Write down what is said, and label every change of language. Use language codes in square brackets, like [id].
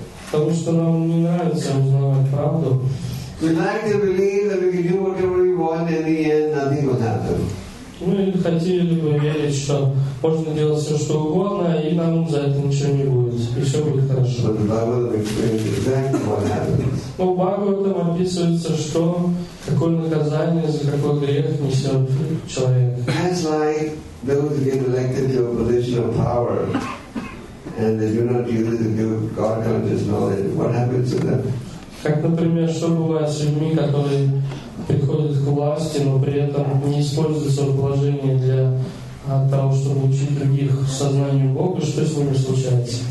[ru] Потому что нам не нравится узнавать правду. [en] We like to believe that we can do whatever we want in the end, nothing will happen. [ru] Мы хотели бы верить, что можно делать все, что угодно, и нам за это ничего не будет, и все будет хорошо. [en] But the Bhagavad explains exactly what happens. [ru] Но в Бхагаватам описывается, что какое наказание за какой грех несет человек. [en] That's like those who get elected to a position of power, and they do not use it to give God conscious knowledge. What happens to them? [ru] Как, например, что бывает с людьми, которые приходят к власти, но при этом не используют свое положение для того, чтобы учить других сознанию Бога, что с ними случается?